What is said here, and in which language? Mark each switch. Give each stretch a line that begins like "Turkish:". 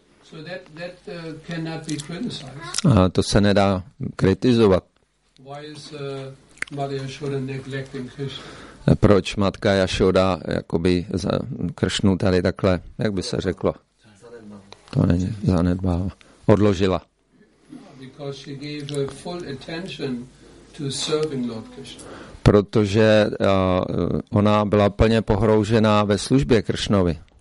English: So that cannot be criticized.
Czech: A to se nedá kritizovat.
English: Why is Mother Yashoda neglecting Krishna?
Czech: Proč matka Yashoda jakoby za Krishnu tady takhle, jak by se řeklo? To není zanedbává. Odložila.
English: No, because she gave her full attention to serving Lord Krishna.
Czech: Protože ona byla plně pohroužená ve službě Kršnovi.